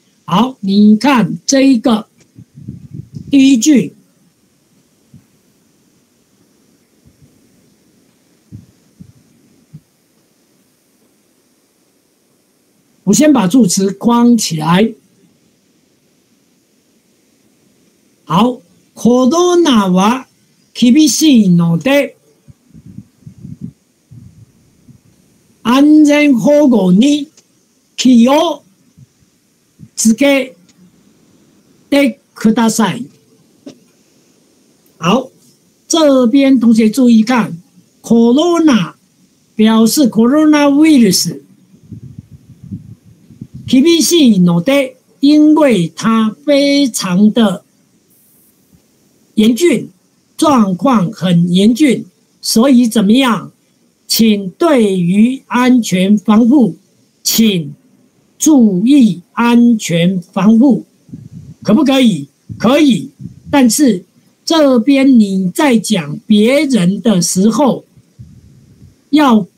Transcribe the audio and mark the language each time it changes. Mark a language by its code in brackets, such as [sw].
[zh] 好，你看这一个第一句，我先把助词框起来。 [ja] 好，コロナは厳しいので、安全保護に気をつけてください。 [zh] 好，这边同学注意看 ，corona 表示 coronavirus， [ja] 厳しいので， [zh] 因为它非常的严峻，状况很严峻，所以怎么样？请对于安全防护，请注意安全防护，可不可以？可以，但是这边你在讲别人的时候，要